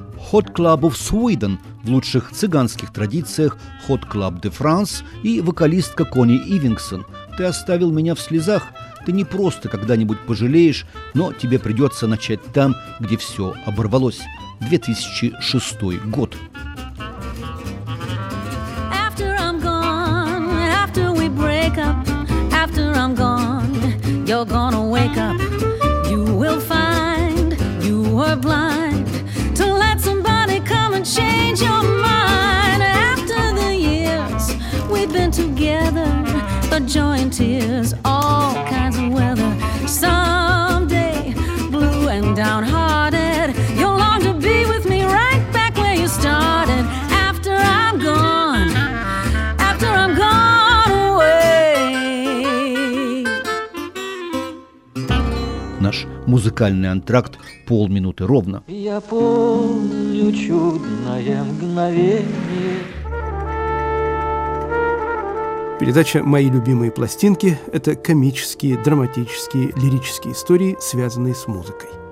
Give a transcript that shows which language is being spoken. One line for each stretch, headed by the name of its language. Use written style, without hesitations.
Russian: Hot Club of Sweden в лучших цыганских традициях Hot Club de France и вокалистка Кони Ивингсон. Ты оставил меня в слезах. Ты не просто когда-нибудь пожалеешь, но тебе придется начать там, где все оборвалось. 2006 год.
English: After I'm gone, after we break up, after I'm gone, you're gonna wake up. You will find you were blind to let somebody come and change your mind. After the years we've been together, the joy and tears, all kinds of weather. Someday, blue and downhearted, you'll long to be with me right back where you started. After I'm gone, after I'm gone away.
Russian: Наш музыкальный антракт полминуты ровно. Я помню чудное мгновение. Передача «Мои любимые пластинки» – это комические, драматические, лирические истории, связанные с музыкой.